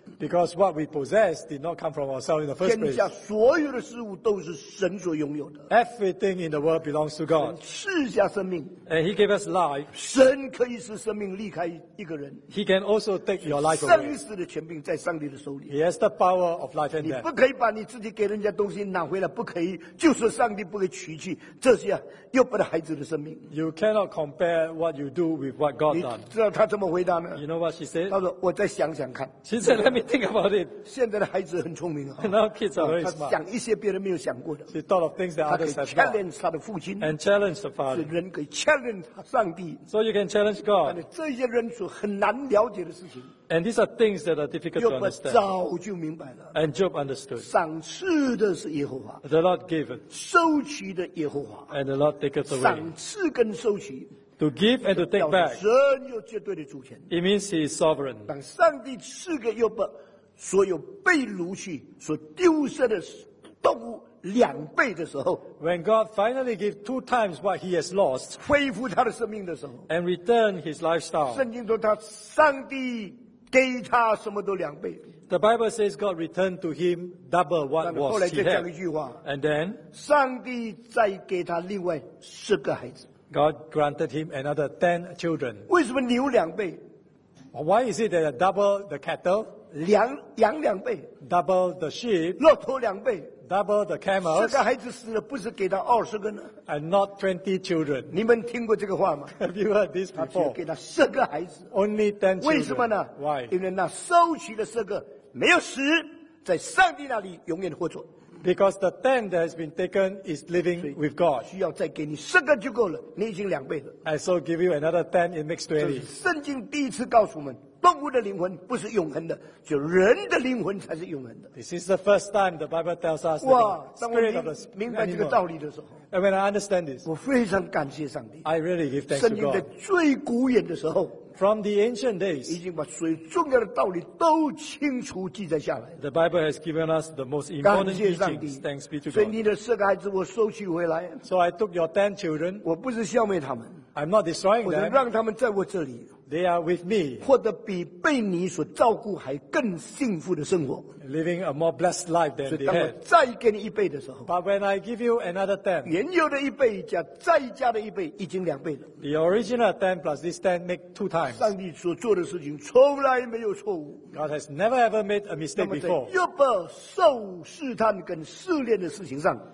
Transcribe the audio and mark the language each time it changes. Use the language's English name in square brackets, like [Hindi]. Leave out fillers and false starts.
[English] Because what we possess did not come from ourselves in the first place. [Chinese] 天下所有的事物都是神所拥有的。 [English] Everything in the world belongs to God. [Chinese] 神赐下生命。 [English] And He gave us life. [Chinese] 神可以使生命离开一个人。 [English] He can also take your life away. [Chinese] 生死的权柄在上帝的手里。 [English] He has the power of life and death. [Chinese] 你不可以把你自己给人家东西拿回来，不可以，就是上帝不可以取去这些又不是孩子的生命。 [English] You cannot compare what you do with what God does. [Chinese] 你知道他怎么回答呢 [English] ？You know what she said? [Chinese] 他说：“我再想想看。” 其实他们。 [English] Think about it. [Chinese] 现在的孩子很聪明啊。 [English] Now kids are very smart. [Chinese] 他想一些别人没有想过的。 [English] He thought of things that others have not. [Chinese] 他可以 challenge 他的父亲。 [English] And challenge the father. [Chinese] 人可以 challenge 上帝。 [English] So you can challenge God. [Chinese] 但是这些人所很难了解的事情。 [English] And these are things that are difficult to understand. [Chinese] 早就明白了。 [English] And Job understood. [Chinese] 赏赐的是耶和华。 [English] The Lord gave it. [Chinese] 收取的耶和华。 [English] And the Lord taketh away. [Chinese] 赏赐跟收取。 [English] To give and to take back. [Chinese] 神有绝对的主权。 [English] It means He is sovereign. [Chinese] 当上帝赐给约伯所有被掳去所丢失的动物两倍的时候 [English] ，When God finally gives two times what he has lost， [Chinese] 恢复他的生命的时候 [English] ，And return his lifestyle， [Chinese] 圣经说他上帝给他什么都两倍。 [English] The Bible says God returned to him double what was he had。 [Chinese] 后来就讲一句话 [English] ，And then， [Chinese] 上帝再给他另外十个孩子。 [English] God granted him another 10 children。 [Chinese] 为什么牛两倍 [English] ？Why is it that double the cattle？ [Chinese] 羊两倍 [English] ，double the sheep， [Chinese] 骆驼两倍 [English] ，double the camel。 [Chinese] 十个孩子死了，不是给他20个呢 [English] ？And not 20 children。 [Chinese] 你们听过这个话吗 [English] ？Have you heard this before？ [Chinese] 他给他十个孩子 [English] ，only 10 children。 [Chinese] 为什么呢 [English] ？Why？ [Chinese] 因为那收取的十个没有死，在上帝那里永远活着。 [English] Because the 10 that has been taken is living with God. [Chinese] 需要再给你十个就够了，你已经两倍了。 [English] I so give you another 10, it makes 20. [Chinese] 圣经第一次告诉我们。动物的灵魂不是永恒的，就人的灵魂才是永恒的。 [English] This is the first time the Bible tells us. [Chinese] 哇，当我明白这个道理的时候 [English] ，And when I understand this, [Chinese] 我非常感谢上帝。 [English] I really give thanks to God. [Chinese] 圣经的最古远的时候 [English] ，From the ancient days, [Chinese] 已经把所有重要的道理都清楚记载下来。 [English] The Bible has given us the most important teachings. Thanks be to God. [Chinese] 所以你的四个孩子我收取回来。 [English] So I took your 10 children. [Chinese] 我不是消灭他们。 [English] I'm not destroying them. [Chinese] 我让他们在我这里。 [English] They are with me. [Chinese] 获得比被你所照顾还更幸福的生活。 [English] Living a more blessed life than they had. [Chinese] 所以当我再给你一倍的时候。 [English] But when I give you another 10. [Chinese] 原有的一倍加再加的一倍已经两倍了。 [English] The original 10 plus this 10 make 2 times. [Chinese] 上帝所做的事情从来没有错误。 [English] God has never ever made a mistake before. [Chinese] 约伯受试探跟试炼的事情上。